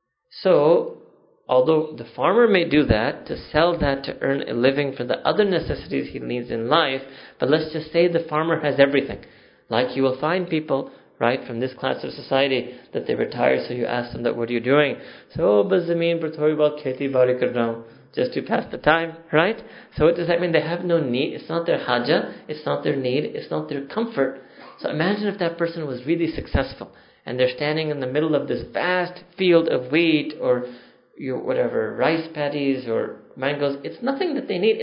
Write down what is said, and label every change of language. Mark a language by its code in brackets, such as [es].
[en] So, although the farmer may do that to sell that to earn a living for the other necessities he needs in life, but let's just say the farmer has everything. Like you will find people, right, from this class of society, that they retire, so you ask them, that what are you doing? [hi] So, बस ज़मीन पर थोड़ी बहुत खेती बाड़ी कर रहा who, [en] just to pass the time, right? So what does that mean? They have no need. It's not their haja. It's not their need. It's not their comfort. So imagine if that person was really successful, and they're standing in the middle of this vast field of wheat, or your whatever, rice paddies, or mangoes. It's nothing that they need.